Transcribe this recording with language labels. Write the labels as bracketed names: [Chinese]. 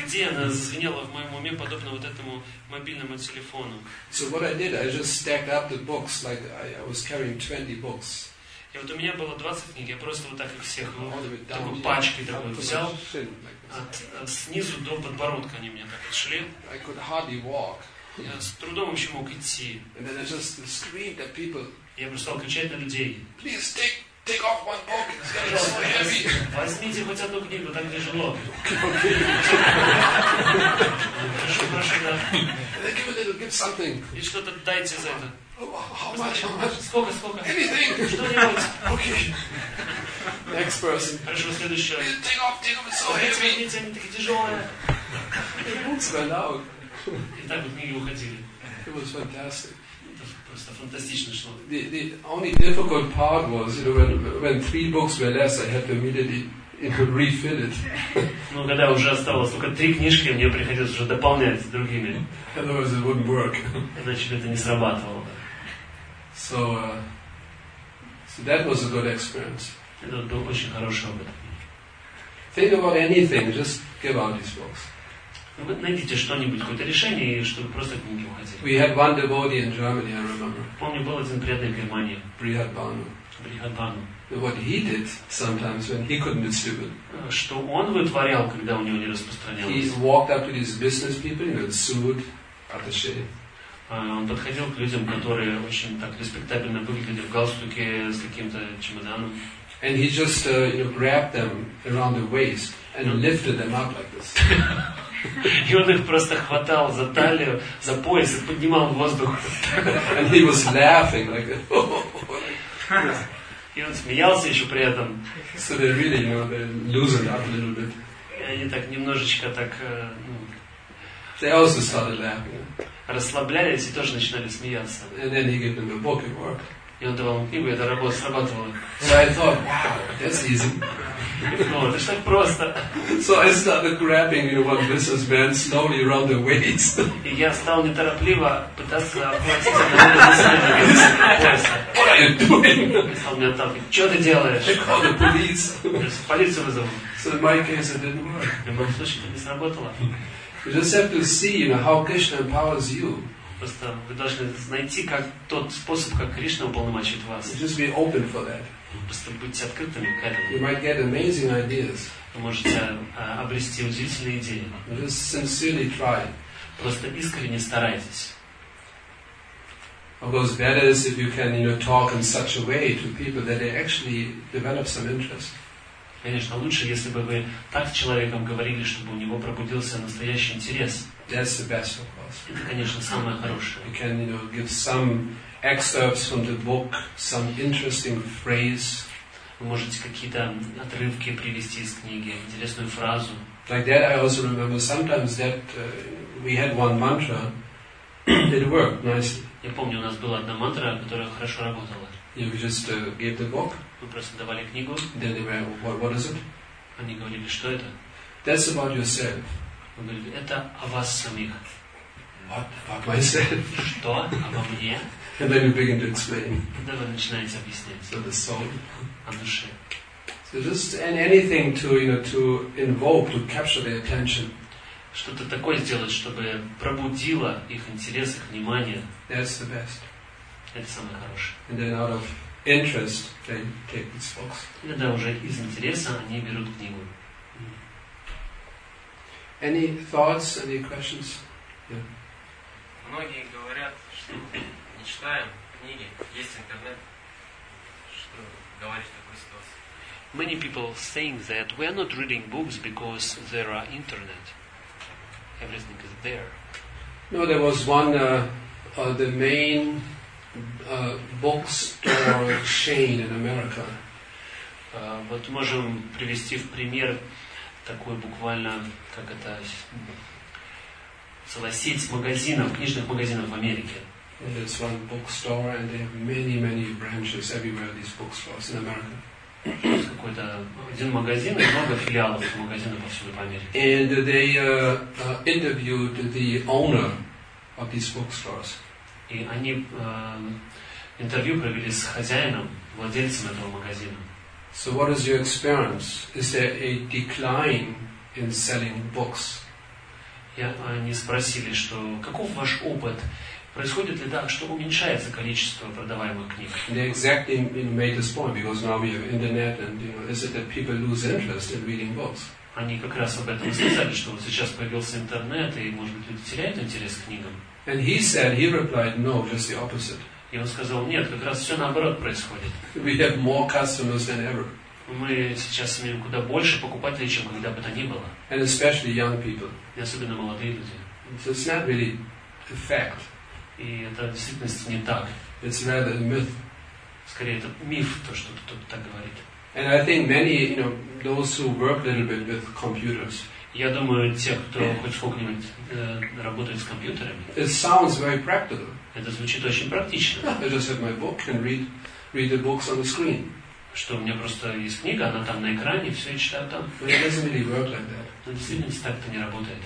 [Russian] идея, она звенела в моем уме, подобно вот этому мобильному телефону. [English] So what I did, I just stacked up the books, like I was carrying 20 books. [Russian] И вот у меня было 20 книг, я просто вот так их всех, такой пачкой такой взял, от снизу до подбородка они мне так отшли. [English] I could hardly walk. [Russian] Я с трудом вообще мог идти. [English] And then I just screamed at people. [Russian] Я просто стал кричать на людей. [English] Please take off one book. It's gonna be so heavy. [Russian] Возьмите хоть одну книгу, так тяжело. Хорошо, хорошо, да. [English] Give a little, give something. [Russian] И что-то дайте за это. [English] How much? [Russian] Сколько? [English] Anything. [Russian] Что-нибудь. [English] Okay. Next person. [Russian] Хорошо, следующий. [English] Take off, it's so heavy. [Russian] Возьмите, они такие тяжелые. [English] Books were loud. [Russian] И так вот книги уходили. [English] It was fantastic. [Russian] Это просто фантастично шло. [English] The only difficult part was, you know, when three books were less, I had to immediately refill it. [Russian] Ну, когда уже осталось только три книжки, мне приходилось уже дополнять другими. [English] Otherwise it wouldn't work. [Russian] Иначе бы это не срабатывало бы. [English] So that was a good experience. [Russian] Это был очень хороший опыт. [English] Think about anything, just give out these books. [Russian] Ну, найдите что-нибудь, какое-то решение, чтобы просто книги уходили. [English] We had one devotee in Germany, I remember. [Russian] Помню, был один преданный в Германии. [English] Brihad Bhanu. [Russian] Бригадану. [English] What he did sometimes when he couldn't distribute. [Russian] Что он вытворял, когда у него не распространялось? [English] He walked up to these business people and sued attaché. [Russian] Он подходил к людям, которые очень так респектабельно выглядели в галстуке с каким-то чемоданом. [English] And he just grabbed them around the waist and lifted them up like this. [Russian] И он их просто хватал за талию, за пояс и поднимал в воздух. [English] And he was laughing like that. [Russian] И он смеялся еще при этом. [English] So they really, you know, they loosened up a little bit. [Russian] И они так немножечко так, [English] They also started laughing. [Russian] Расслаблялись и тоже начинали смеяться. [English] And then he gave them a book, it worked. [Russian] И он давал книгу, и эта работа срабатывала. [English] So I thought, wow, that's easy. [Russian] Вот, это ж так просто. [English] So I started grabbing, you know, one businessman slowly around the waist. [Russian] И я стал неторопливо пытаться обхватить одного бизнесмена. [English] What are you doing? [Russian] И стал меня отталкивать. Что ты делаешь? [English] I called the police. [Russian] Полицию вызову. [English] So in my case it didn't work. [Russian] В любом случае, это не сработало. [English] You just have to see, you know, how Krishna empowers you. [Russian] Просто вы должны найти как тот способ, как Кришна уполномочит вас. [English] Just be open for that. [Russian] Просто будьте открытыми к этому. [English] You might get amazing ideas. [Russian] Вы можете обрести удивительные идеи. [English] Just sincerely try. [Russian] Просто искренне старайтесь. [English] Of course, better is if you can, you know, talk in such a way to people that they actually develop some interest. [Russian] Конечно, лучше, если бы вы так с человеком говорили, чтобы у него пробудился настоящий интерес. [English] That's the best, of course. [Russian] Это, конечно, самое хорошее. [English] You can, you know, give some excerpts from the book, some interesting phrase. [Russian] Вы можете какие-то отрывки привести из книги, интересную фразу. [English] Like that, I also remember sometimes that we had one mantra that worked nicely. [Russian] Я помню, у нас была одна мантра, которая хорошо работала. [English] You just gave the book. [Russian] Мы просто давали книгу. [English] Then they were, what is it? [Russian] Они говорили, что это? [English] That's about yourself. [Russian] Он говорит, это о вас самих. [English] What about myself? [Russian] Что обо мне? [English] And then you begin to explain. [Russian] Тогда вы начинаете объяснять. [English] So the soul. [Russian] О душе. [English] So just anything to, you know, to invoke, to capture their attention. [Russian] Что-то такое сделать, чтобы пробудило их интерес, их внимание. [English] That's the best. [Russian] Это самое хорошее. [English] And then out of interest, they take these books. [Russian] Иногда уже из интереса они берут книгу. [English] Any thoughts, any questions? Yeah. [Russian] Многие говорят, что не читаем книги, есть интернет, что говорит о Христос. [English] Many people saying that we are not reading books because there are internet. Everything is there. No, there was one the main bookstore chain in America. [Russian] Вот можем привести в пример такой буквально, как это, целая сеть магазинов, книжных магазинов в Америке. [English] There's one bookstore and there are many, many branches everywhere, these bookstores in America. [Russian] Какой-то один магазин и много филиалов магазинов повсюду в Америке. [English] And they interviewed the owner of these bookstores. [Russian] И они интервью провели с хозяином, владельцем этого магазина. [English] So what is your experience? Is there a decline in selling books? [Russian] Они спросили, что каков ваш опыт? Происходит ли так, что уменьшается количество продаваемых книг? [English] They exactly made this point because now we have internet and, you know, is it that people lose interest in reading books? [Russian] Они как раз об этом сказали, что вот сейчас появился интернет и, может быть, люди теряют интерес к книгам. [English] And he said, he replied, no, just the opposite. [Russian] И он сказал, нет, как раз все наоборот происходит. [English] We have more customers than ever. [Russian] Мы сейчас имеем куда больше покупателей, чем когда бы то ни было. [English] And especially young people. [Russian] И особенно молодые люди. [English] So it's not really a fact. [Russian] И это в действительности не так. [English] It's rather a myth. [Russian] Скорее, это миф, то, что кто-то так говорит. [English] And I think many, you know, those who work a little bit with computers. [Russian] Я думаю, те, кто хоть сколько-нибудь работает с компьютерами. [English] It sounds very practical. [Russian] Это звучит очень практично. [English] I just have my book and read the books on the screen. [Russian] Что у меня просто есть книга, она там на экране, все я читаю там. [English] But it doesn't really work like that. [Russian] Но действительно, так-то не работает.